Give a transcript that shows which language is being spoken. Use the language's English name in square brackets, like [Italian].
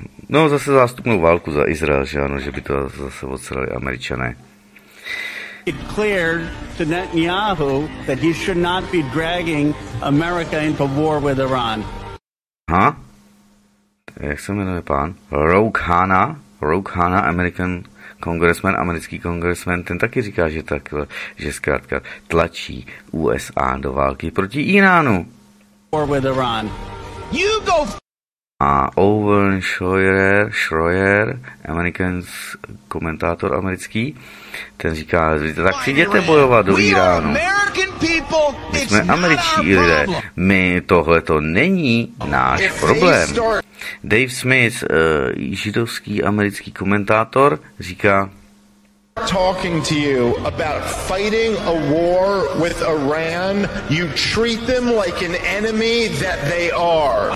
[Czech] No, zase zástupnou válku za Izrael, že ano, že by to zase odsrali Američané. [English] It cleared to Netanyahu that he should not be dragging America into war with Iran. [Czech] Ha? Jak se jmenuje pán? Rokhana, American congressman, americký congressman, ten taky říká, že takhle, že zkrátka tlačí USA do války proti Iránu. [English] War with Iran. You go. [Czech] A Owen Schroyer, Americans komentátor americký, ten říká, tak si jděte bojovat do Iránu. Jsme američtí lidé. My tohle to není náš problém. Dave Smith, židovský americký komentátor, říká, [English] talking to you about fighting a war with Iran, you treat them like an enemy that they are.